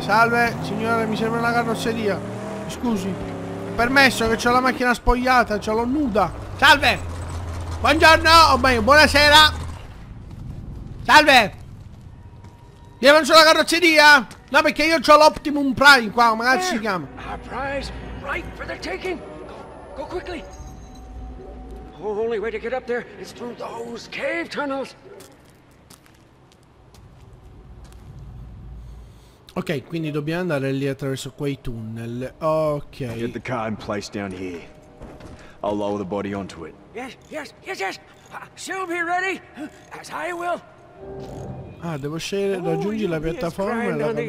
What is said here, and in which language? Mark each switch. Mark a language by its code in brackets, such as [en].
[it] Salve, signore, mi serve una carrozzeria. Scusi. Permesso, che c'ho la macchina spogliata, ce l'ho nuda. Salve. Buongiorno, o meglio, buonasera. Salve. Mi avanzo la carrozzeria? No, perché io c'ho l'Optimum Prime qua, ma cazzo si chiama. [en] Our prize, right for the taking. Go quickly. Only way to get up there is through those cave tunnels. [it] Ok, quindi dobbiamo andare lì attraverso quei tunnel. Ok. [en] Get the car in place down here. I'll lower the body onto it. Yes. She'll be ready, as I will. [it] Ah, devo scegliere, raggiungi la piattaforma e la...